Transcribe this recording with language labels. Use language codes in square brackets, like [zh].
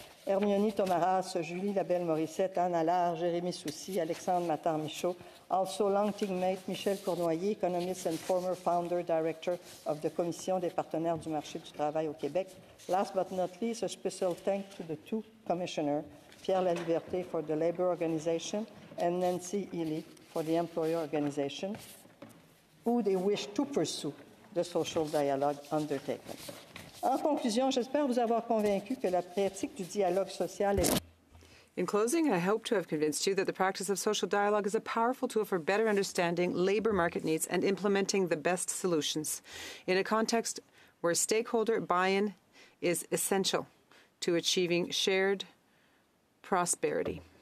[en] Hermione Tomaras, Julie Labelle-Morissette, Anne Allard, Jérémy Soucy, Alexandre Matar-Michaud, also long teammate Michel Cournoyer, economist and former founder director of the Commission des partenaires du marché du travail au Québec. Last but not least, a special thank to the two commissioners, Pierre Laliberté for the labor organization and Nancy Ely for the employer organization, où they wish to pursue the social dialogue undertaken. [fr] En conclusion, j'espère vous avoir convaincu que la pratique du dialogue social est... [en] In closing, I hope to have convinced you that the practice of social dialogue is a powerful tool for better understanding labor market needs and implementing the best solutions in a context where stakeholder buy-in is essential to achieving shared prosperity.